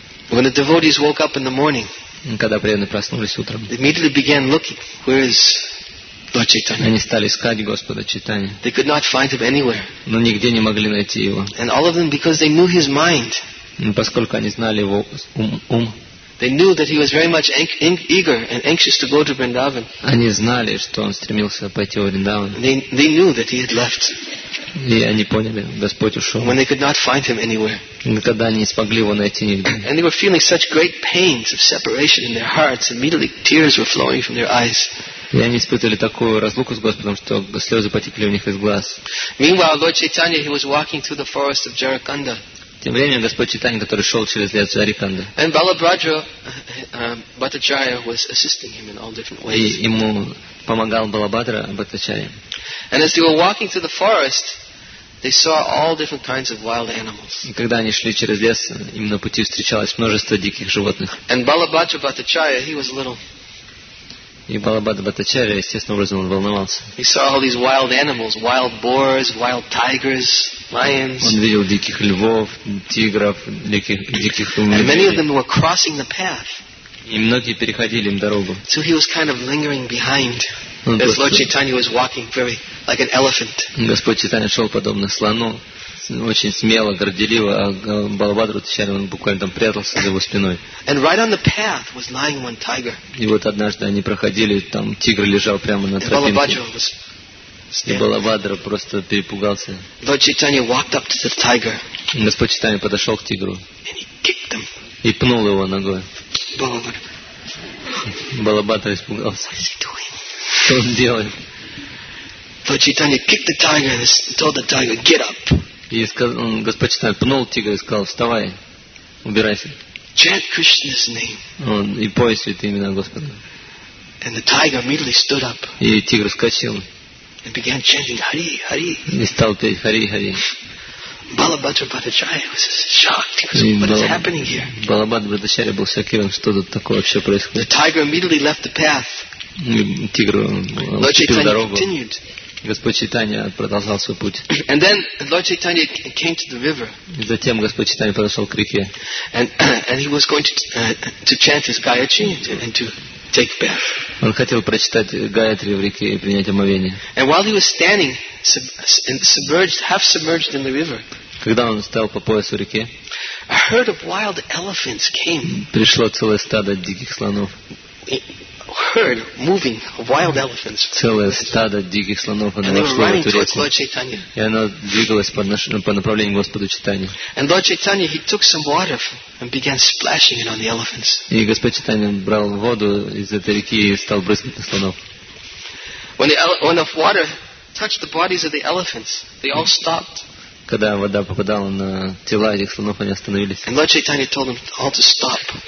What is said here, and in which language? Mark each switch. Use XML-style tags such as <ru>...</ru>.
<en>When the devotees woke up in the morning.</en> <ru>Когда преданные проснулись утром,</ru> <en>they immediately began looking. Where is Lord Chaitanya?</en> <ru>Они стали искать Господа Чайтанью.</ru> <en>They could not find him anywhere.</en> <ru>Но нигде не могли найти его.</ru> <en>And all of them, because they knew his mind.</en> <ru>Поскольку они знали его ум.</ru> <en>They knew that he was very much eager and anxious to go to Vrindavan.</en> <ru>Они знали, что он стремился пойти в Вриндаван.</ru> <en>They knew that he had left.</en> <ru>И они поняли, Господь ушел.</ru> <en>When they could not find him anywhere.</en> <ru>Когда они не смогли его найти нигде.</ru> <en>And they were feeling such great pains of separation in their hearts. Immediately tears were flowing from their eyes.</en> <ru>И они испытывали такую разлуку с Господом, что слезы потекли у них из глаз.</ru> <en>Meanwhile, Lord Chaitanya, he was walking through the forest of Jarakanda.</en> <ru>Тем временем Господь Чайтанья, который шел через лес Джариканда.</ru> <en>And Balabhadra Bhattacharya was assisting him in all different ways.</en> <ru>И ему помогал Балабхадра Бхаттачарья.</ru> <en>And as they were walking through the forest, they saw all different kinds of wild animals.</en> <ru>Когда они шли через лес, им на пути встречалось множество диких животных.</ru> <en>And Balabhadra Bhattacharya, he was little.</en> <ru>И Балабхадра Бхаттачарья, естественным образом, он волновался.</ru> <en>He saw all these wild animals, wild boars, wild tigers, lions.</en> <ru>Он видел диких львов, тигров, диких медведей.</ru> <en>And many of them were crossing the path.</en> <ru>И многие переходили им дорогу.</ru> <en>So he was kind of lingering behind. As Lord Chaitanya was walking very like an elephant.</en> <ru>Господь Чайтанья шел подобно слону, очень смело, горделиво, а Балабхадра Бхаттачарья буквально там прятался за его спиной.</ru> <en>And right on the path was lying one tiger.</en> <ru>И вот однажды они проходили, там тигр лежал прямо на тропинке. И Балабхадра просто перепугался.</ru> <en>Lord Chaitanya walked up to the tiger.</en> <ru>Господь Чайтанья подошел к тигру.</ru> <en>And he kicked him.</en> <ru>И пнул его ногой. Балабхадра испугался.</ru> <en>What is he doing?</en> <ru>Что он делает?</ru> <en>Lord Chaitanya kicked the tiger and told the tiger, get up.</en> <ru>И сказал, Господь Чайтанья пнул тигра и сказал, вставай, убирайся.</ru> <en>Chant Krishna's name.</en> <ru>Он и пой святые имена Господа.</ru> <en>And the tiger immediately stood up.</en> <ru>И тигр вскочил.</ru> <en>And began chanting, Hari, Hari.</en> <ru>И стал петь, Хари, Хари.</ru> <en>Balabhadra Bhattacharya was shocked. What is happening here?</en> <ru>Балабхадра Бхаттачарья был шокирован, что тут такое вообще происходит.</ru> <en>The tiger immediately left the path.</en> <ru>Тигр уступил дорогу.</ru> <en>Continued.</en> <ru>Господь Чайтанья продолжал свой путь.</ru> <en>And then Lord Chaitanya came to the river.</en> <ru>И затем Господь Чайтанья подошел к реке.</ru> <en>And he was going to chant his Gayatri and to take bath.</en> <ru>Он хотел прочитать Гаятри в реке и принять омовение.</ru> <en>And while he was standing submerged, half submerged in the river.</en> <ru>Когда он стоял по пояс в реке.</ru> <en>herd of wild elephants came.</en> <ru>Пришло целое стадо диких слонов.</ru> <en>Herd moving wild elephants.</en> <ru>Целое стадо диких слонов подошло к Чайтанье. И оно двигалось по направлению к Господу Чайтанье.</ru> <en>And Lord Chaitanya, he took some water and began splashing it on the elephants.</en> <ru>И Господь Чайтанья брал воду из этой реки и стал брызгать на слонов.</ru> <en>When the water touched the bodies of the elephants, they all stopped.</en> <ru>Когда вода попадала на тела этих слонов, они остановились.</ru> <en>And Lord Chaitanya told them all to stop.</en>